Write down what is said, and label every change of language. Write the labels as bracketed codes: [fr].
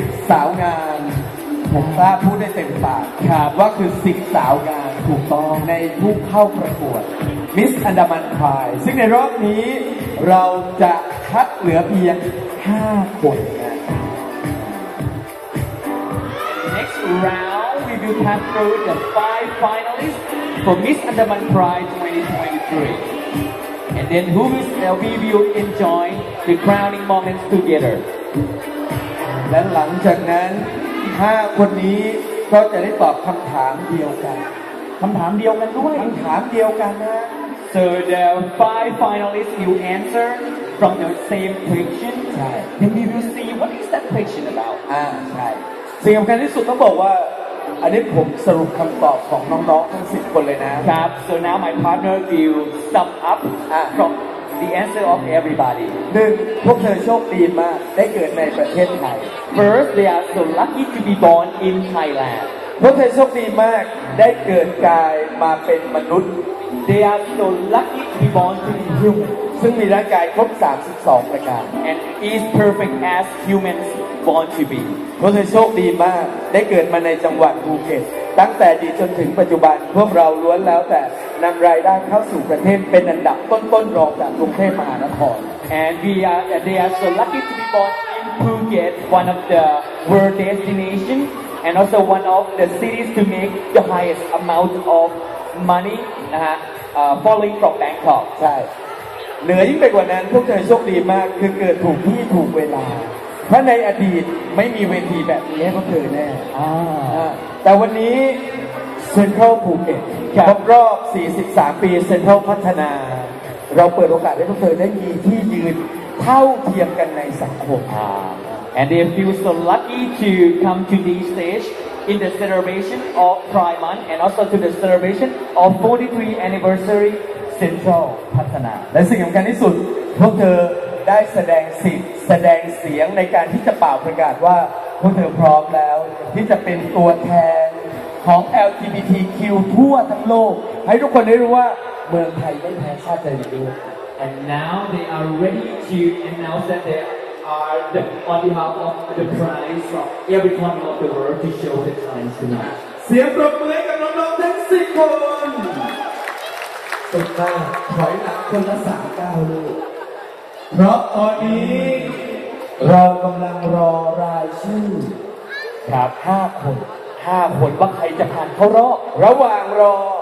[th] สาวงามผมกล้าพูดได้เต็มปาก ครับ ว่าคือ10สาวงามถูกต้องในผู้เข้าประกวดมิสอันดามันพายซึ่งในรอบนี้เราจะคัดเหลือเพียง5คน [en] Next round we will pass through the 5 finalists for Miss Andaman Pride 2023 and then who will we will enjoy the crowning moments together [th] และหลังจากนั้น5คนนี้ก็จะได้ตอบคำถามเดียวกัน คำถามเดียวกันด้วย คำถามเดียวกันนะ [en] So the five finalists will answer from the same question [th] ใช่ [en] Then we will see what is that question about [th] ใช่สิ่งสำคัญที่สุดต้องบอกว่าอันนี้ผมสรุปคำตอบของน้องๆทั้ง10คนเลยนะ [en] ครับ So now my partner will sum up from the answer of everybody 1. [th] พวกเธอโชคดีมากได้เกิดในประเทศไทย [en] First, they are so lucky to be born in Thailand [th] พวกเธอโชคดีมากได้เกิดกายมาเป็นมนุษย์ [en] They are so lucky to be born to be human [th] ซึ่งมีร่างกายครบ32ประการ [en] And is perfect as humans born to be [th] พวกเธอโชคดีมากได้เกิดมาในจังหวัดภูเก็ตตั้งแต่ดีจนถึงปัจจุบันพวกเราล้วนแล้วแต่นำรายได้เข้าสู่ประเทศเป็นอันดับต้นๆรองจากกรุงเทพมหานคร [en] And we are they are so lucky to be born in Phuket one of the world destination and also one of the cities to make the highest amount of money นะฮะ falling from Bangkok [th] ใช่เหนือยิ่งไปกว่านั้นพวกเธอโชคดีมากคือเกิดถูกที่ถูกเวลาถ้าในอดีตไม่มีเวทีแบบนี้ให้พวกเธอแน่ แต่วันนี้เซ็นทรัลภูเก็ตครบรอบ43ปีเซ็นทรัลพัฒนาเราเปิดโอกาสให้พวกเธอได้มีที่ยืนเท่าเทียมกันในสังคม [en] And they feel so lucky to come to this stage in the celebration of Pride Month and also to the celebration of 43 anniversary Central พัฒนา [th] และสิ่งสำคัญที่สุดพวกเธอได้แสดงสิทธิ์แสดงเสียงในการที่จะเป่าประกาศว่าพวกเธอพร้อมแล้วที่จะเป็นตัวแทนของ LGBTQ ทั่วทั้งโลกให้ทุกคนได้รู้ว่าเมืองไทยไม่แพ้ชาติใดอีกด้วย [en] And now they are ready to announce that they are the on behalf of the prize from every corner of the world to show the talents tonight [th] เสียงปรบมือให้กับน้องๆทั้ง10คน เป็นบ้าถอยหลังคนละ3ก้าวลูกเพราะตอนนี้เรากำลังรอรายชื่อ ครับ5คน5คนว่าใครจะผ่านเข้ารอบระหว่างรอ